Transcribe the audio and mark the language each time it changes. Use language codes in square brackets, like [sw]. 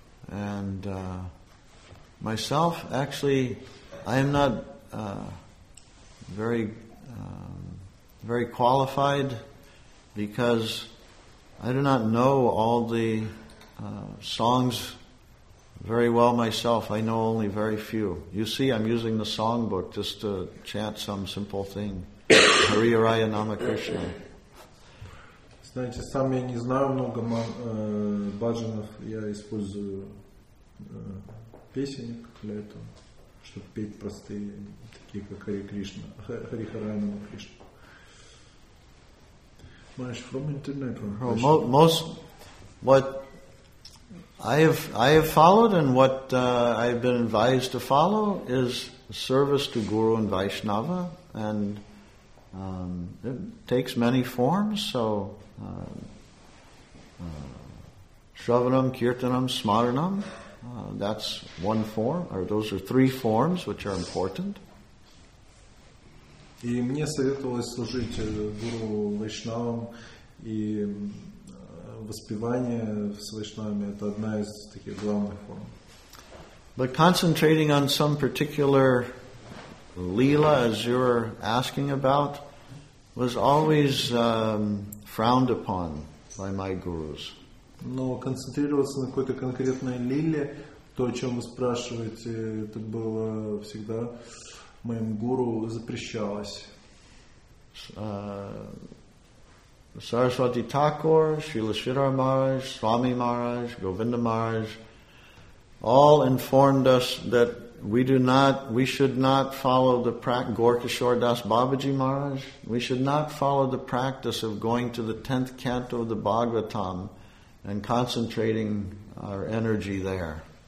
[en] And myself, actually, I am not very qualified because I do not know all the songs very well myself. I know only very few. You see, I'm using the song book just to chant some simple thing. [sa] Hari Raya Nama Krishna. [ru] Знаете, сам я не знаю много баджанов. Я использую песенник для этого, чтобы петь простые, такие как Hari Krishna. [sa] Hari Raya Nama Krishna. [en] Маш, from internet. Most, what I have followed and what I've been advised to follow is service to Guru and Vaishnava, and it takes many forms. So, Shravanam, Kirtanam, Smaranam, that's one form, or those are three forms which are important. [ru] И мне советовалось служить Гуру Вайшнавам и воспевание с Вайшнавами это одна из таких главных форм. [en] But concentrating on some particular lila, as you were asking about, was always frowned upon by my gurus. [ru] Но концентрироваться на какой-то конкретной лиле, то, о чем вы спрашиваете, это было всегда моим гуру запрещалось. [en] Сарасвати Такур, Шрила Сридхара Махарадж, Свами Махарадж, Говинда Махарадж all informed us that we should not follow the practice, Gaur Kishore Das Babaji Maharaj, we should not follow the practice of going to the 10th canto of the Bhagavatam and concentrating our energy there.